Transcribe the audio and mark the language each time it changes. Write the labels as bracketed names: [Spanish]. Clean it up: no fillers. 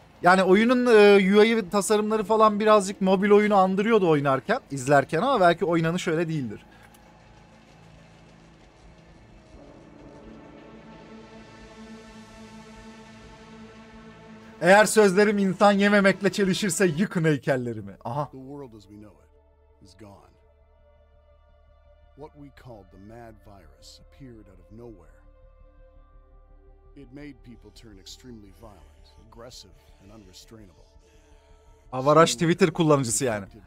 [Turkish] Yani oyunun UI tasarımları falan birazcık mobil oyunu andırıyordu oynarken, izlerken, ama belki oynanış öyle değildir. Eğer sözlerim insan yememekle çelişirse yıkın heykellerimi. Aha. [English] The world as we know it is gone. What we called the mad virus appeared out of nowhere. It made people turn extremely violent, aggressive and unrestrainable. [Turkish] Avaraş Twitter kullanıcısı yani.